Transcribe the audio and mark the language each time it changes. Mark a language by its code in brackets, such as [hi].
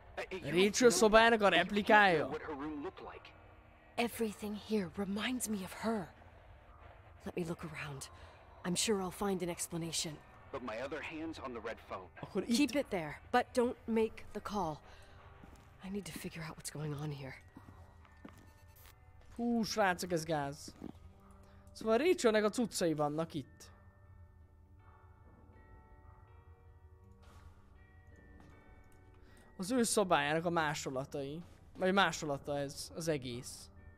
[hu] Rachel's szobának a replikája. [en] What her room looked like. Everything here reminds me of her. Let me look around. I'm sure I'll find an explanation. But my other hand's on the red phone. Keep it there, but don't make the call. I need to figure out what's going on here. [hu] Hú, srácok, ez gáz. Szóval Rachelnek a cuccai vannak itt. Az ő szobájának a másolatai. Vagy másolata ez, az egész.